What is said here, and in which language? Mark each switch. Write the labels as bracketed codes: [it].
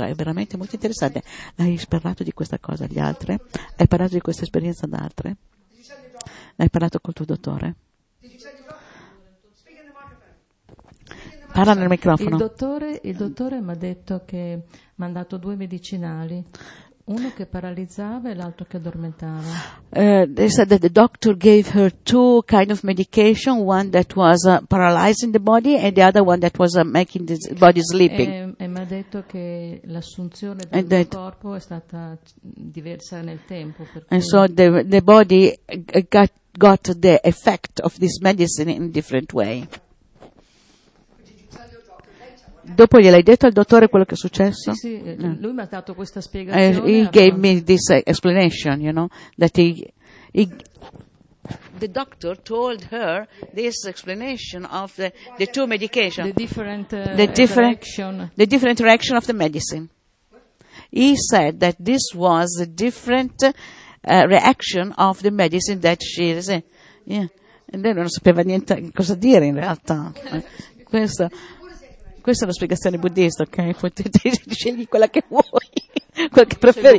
[it] È veramente molto interessante. Hai parlato di questa cosa agli altri? Hai parlato di questa esperienza ad altri? Hai parlato col tuo dottore? Parla nel microfono. Il dottore mi ha detto che mi ha dato due medicinali. Uno che paralizzava e l'altro che addormentava. [en] They said that the doctor gave her two kind of medication, one that was paralyzing the body and the other one that was making the body sleeping. [it] E mi ha detto che l'assunzione del corpo è stata diversa nel tempo. [en] And so the body got the effect of this medicine in a different way. [it] Dopo gliel'hai detto al dottore quello che è successo? Sì, lui mi ha dato questa spiegazione. [en] He gave me this explanation, you know, that he the doctor told her this explanation of the two medication. The different reaction of the medicine. He said that this was a different reaction of the medicine that she is in. [it] Yeah. E lei non sapeva niente cosa dire in realtà. Questa è una spiegazione buddista, ok? Potete scegliere quella che vuoi, quella che preferisci.